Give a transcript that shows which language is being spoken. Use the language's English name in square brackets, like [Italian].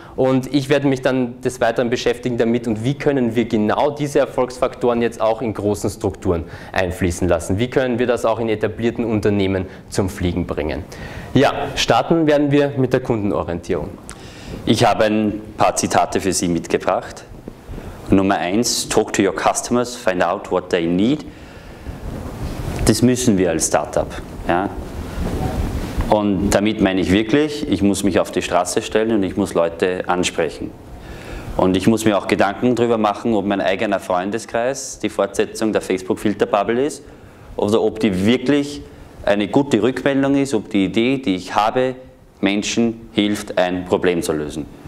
[German] Und ich werde mich dann des Weiteren beschäftigen damit, und wie können wir genau diese Erfolgsfaktoren jetzt auch in großen Strukturen einfließen lassen. Wie können wir das auch in etablierten Unternehmen zum Fliegen bringen. Ja, starten werden wir mit der Kundenorientierung. Ich habe ein paar Zitate für Sie mitgebracht. Nummer 1, [English] talk to your customers, find out what they need. [German] Das müssen wir als Startup. Ja? Und damit meine ich wirklich, ich muss mich auf die Straße stellen und ich muss Leute ansprechen. Und ich muss mir auch Gedanken darüber machen, ob mein eigener Freundeskreis die Fortsetzung der Facebook-Filterbubble ist oder ob die wirklich eine gute Rückmeldung ist, ob die Idee, die ich habe, Menschen hilft, ein Problem zu lösen.